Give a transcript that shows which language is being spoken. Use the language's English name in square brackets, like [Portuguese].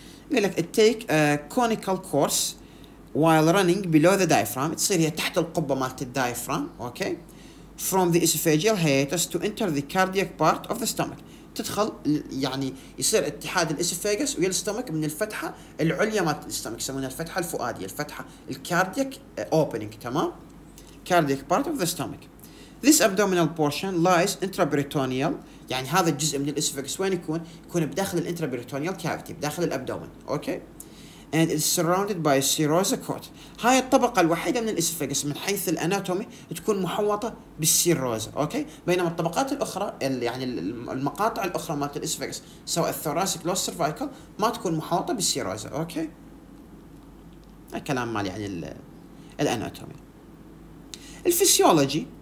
[Arabic] يقول لك التيك كونيكال كورس [English] while running below the diaphragm [Arabic] تصير هي تحت القبة مالت الدايفرام okay [English] from the esophageal hiatus to enter the cardiac part of the stomach [Arabic] تدخل يعني يصير اتحاد الاسفاجس ويا الستمك من الفتحة العليا مالت الستمك يسمونها الفتحة الفؤادية الفتحة الكارديك opening تمام [English] cardiac part of the stomach. this abdominal portion lies intraperitoneal [Arabic] يعني هذا الجزء من الاسفاجس وين يكون؟ يكون بداخل الانترابيريتونيال كافيتي بداخل الابدومن اوكي okay. [English] and it's surrounded by serosa coat. [Arabic] هاي الطبقة الوحيدة من الاسفاجس من حيث الاناتومي تكون محوطة بالسيروزا، اوكي؟ بينما الطبقات الأخرى يعني المقاطع الأخرى مالت الاسفاجس سواء الثوراسيك لو السيرفايكال ما تكون محوطة بالسيروزا، اوكي؟ هذا كلام مال يعني الاناتومي. الفسيولوجي